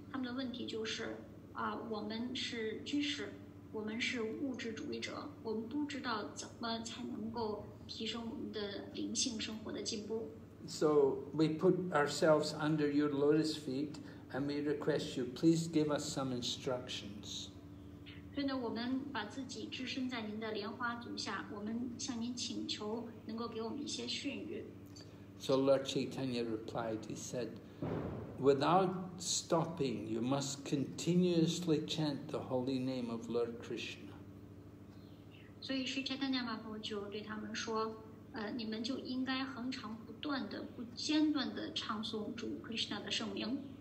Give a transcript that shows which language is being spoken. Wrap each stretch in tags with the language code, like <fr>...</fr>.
<zh>他们的问题就是，我们是居士，我们是物质主义者，我们不知道怎么才能够提升我们的灵性生活的进步。</zh> <en>So we put ourselves under your lotus feet, and we request you, please give us some instructions.</en> <zh>所以呢，我们把自己置身在您的莲花足下，我们向您请求能够给我们一些训谕。</zh> <en>So Lord Chaitanya replied, he said, without stopping, you must continuously chant the holy name of Lord Krishna.</en> <zh>所以Sri Chaitanya Mahaprabhu就对他们说，你们就应该恒常不断的、不间断的唱诵主 Krishna 的圣名。</zh>